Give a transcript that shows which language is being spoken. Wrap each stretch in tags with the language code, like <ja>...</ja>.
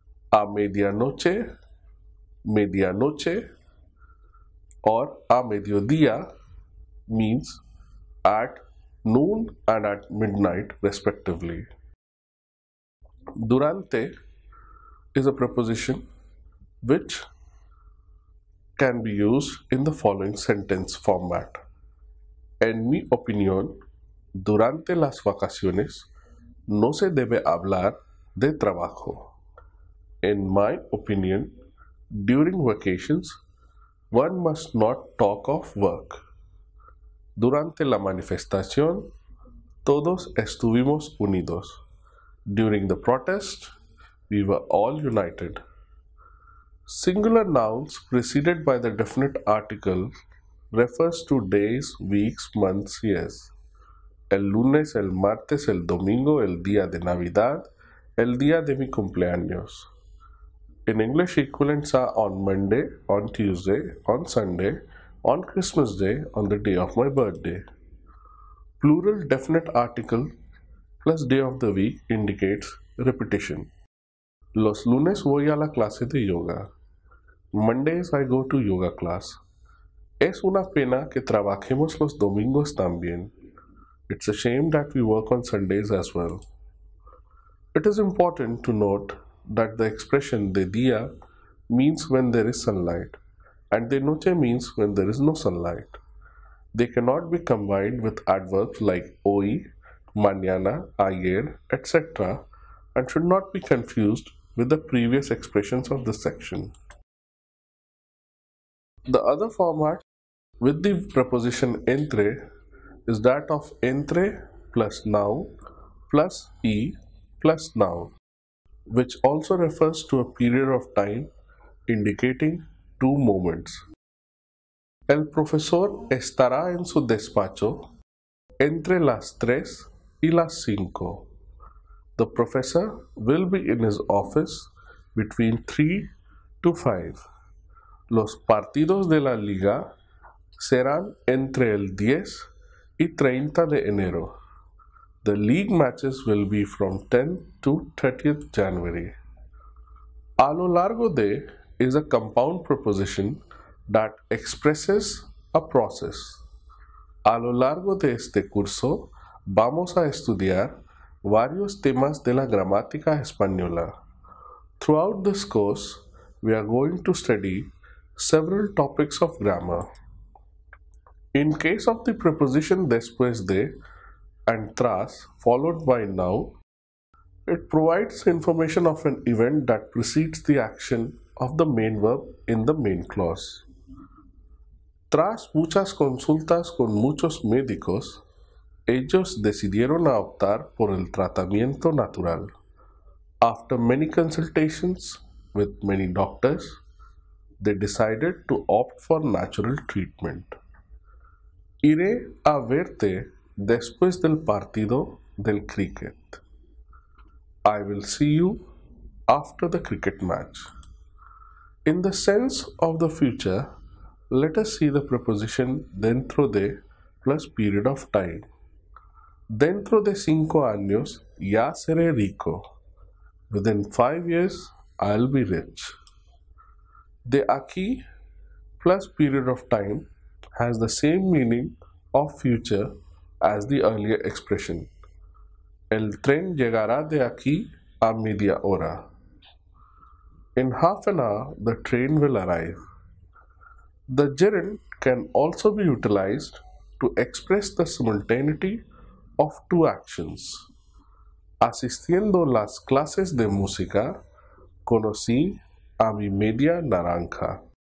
<en>A medianoche, medianoche, or a mediodía means at noon and at midnight, respectively. Durante is a preposition which can be used in the following sentence format.</en> <es>En mi opinión, durante las vacaciones no se debe hablar de trabajo.</es> <en>In my opinion, during vacations, one must not talk of work.</en> <es>Durante la manifestación, todos estuvimos unidos.</es> <en>During the protest, we were all united. Singular nouns preceded by the definite article refers to days, weeks, months, years.</en> <es>El lunes, el martes, el domingo, el día de Navidad, el día de mi cumpleaños.</es> <en>In English, equivalents are on Monday, on Tuesday, on Sunday, on Christmas Day, on the day of my birthday. Plural definite article plus day of the week indicates repetition.</en> <es>Los lunes voy a la clase de yoga.</es> <en>Mondays I go to yoga class.</en> <es>Es una pena que trabajemos los domingos también.</es> <en>It's a shame that we work on Sundays as well. It is important to note that the expression de día means when there is sunlight and de noche means when there is no sunlight. They cannot be combined with adverbs like hoy, mañana, ayer, etc. and should not be confused with the previous expressions of this section. The other format with the preposition entre is that of entre plus noun plus e plus noun, which also refers to a period of time indicating two moments.</en> <es>El profesor estará en su despacho entre las tres y las cinco.</es> <en>The professor will be in his office between 3 to 5.</en> <es>Los partidos de la liga serán entre el 10 y 30 de enero.</es> <en>The league matches will be from 10th to 30th January. A lo largo de is a compound preposition that expresses a process.</en> <es>A lo largo de este curso, vamos a estudiar varios temas de la gramática española.</es> <en>Throughout this course, we are going to study several topics of grammar. In case of the preposition después de and tras followed by noun, it provides information of an event that precedes the action of the main verb in the main clause.</en> <es>Tras muchas consultas con muchos médicos, ellos decidieron optar por el tratamiento natural.</es> <en>After many consultations with many doctors, they decided to opt for natural treatment.</en> <es>Iré a verte después del partido del cricket.</es> <en>I will see you after the cricket match. In the sense of the future, let us see the preposition dentro de plus period of time.</en> <es>Dentro de 5 años ya seré rico.</es> <en>Within 5 years I'll be rich. De aquí plus period of time has the same meaning of future as the earlier expression.</en> <es>El tren llegará de aquí a media hora.</es> <en>In half an hour the train will arrive. The gerund can also be utilized to express the simultaneity of two actions.</en> <es>Asistiendo las clases de música, conocí a mi media naranja.</es>